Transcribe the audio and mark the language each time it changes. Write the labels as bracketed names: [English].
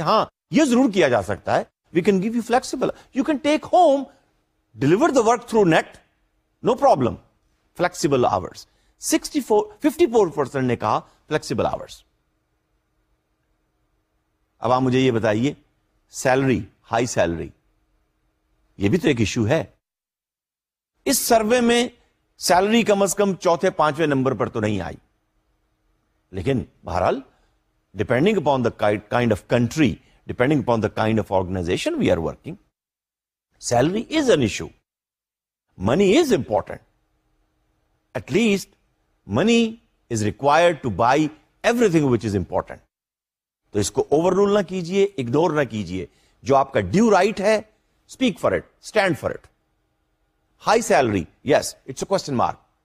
[Urdu] ہاں یہ ضرور کیا جا سکتا ہے، [English] We can give you flexible, you can take home, deliver the work through net, no problem flexible hours. 54% نے کہا flexible hours. [Urdu] اب آپ مجھے یہ بتائیے سیلری, ہائی سیلری, یہ بھی تو ایک ایشو ہے. اس سروے میں سیلری کم از کم چوتھے پانچویں نمبر پر تو نہیں آئی, لیکن بہرحال [English] Depending upon the kind of country, depending upon the kind of organization we are working, salary is an issue. Money is important, at least money is required to by every thing which is important. [Urdu] تو اس کو over role نہ کیجیے, ignore نہ کیجیے. جو آپ کا due right ہے, [English] Speak for it, stand for it. High salary, yes it's a question mark.